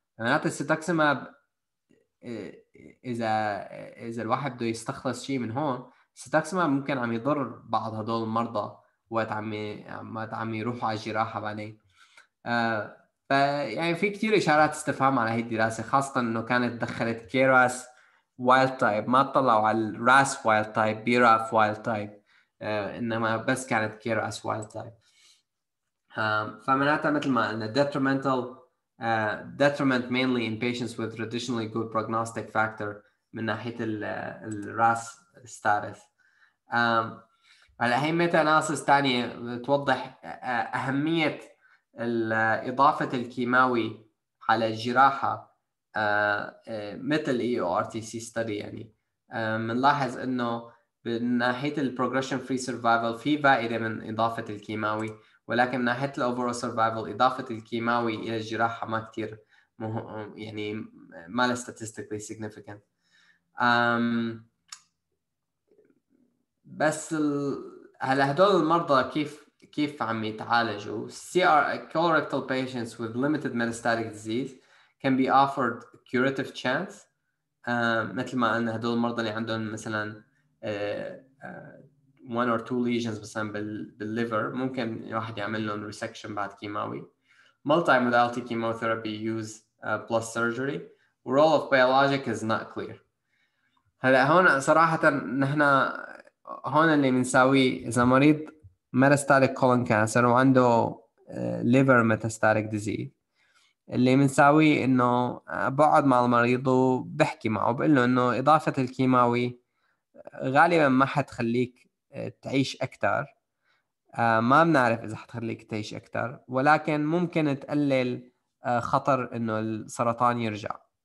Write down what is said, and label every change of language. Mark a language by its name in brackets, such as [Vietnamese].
[Arabic] معناته سيتوكسيماب اذا الواحد بده يستخلص شيء من هون، سيتوكسيماب ممكن عم يضر بعض هدول المرضى وقت عم يروحوا على الجراحه بعدين. يعني في كثير اشارات استفهام على هي الدراسه، خاصه انه كانت دخلت كيراس wild type، ما طلعوا على الراس wild type براف wild type، انما بس كانت كيراس wild type. فمعناتها مثل ما قلنا [English] detrimental detriment mainly in patients with traditionally good prognostic factor [Arabic] من ناحيه الراس [English] status. [Arabic] على هي ميتا اناليسيس ثانيه توضح اهميه اضافه الكيماوي على الجراحه، مثل EORTC study يعني. منلاحظ انه بالناحية البروجريشن فري سيرفايفل في فائدة من اضافة الكيماوي، ولكن من ناحية الاوفرول سيرفايفل اضافة الكيماوي الى الجراحة ما كتير يعني ما لها statistically significant. بس هلا هدول المرضى كيف عم يتعالجوا؟ [English] CR colorectal patients with limited metastatic disease can be offered curative chance. [Arabic] مثل ما قلنا هدول المرضى اللي عندهم مثلا [English] one or two lesions [Arabic] مثلا بالليفر ممكن واحد يعمل لهم resection بعد كيماوي. [English] Multimodality chemotherapy use plus surgery. Role of biologic is not clear. [Arabic] هلا هون صراحة نحن هون اللي بنساوي، إذا مريض [English] ميتاستاتيك كولون كانسر وعنده ليفر ميتاستاتيك ديزيز. [Arabic] اللي بنساوي انه بقعد مع المريض وبحكي معه بقول له انه اضافه الكيماوي غالبا ما حتخليك تعيش اكثر، ما بنعرف اذا حتخليك تعيش اكثر، ولكن ممكن تقلل خطر انه السرطان يرجع.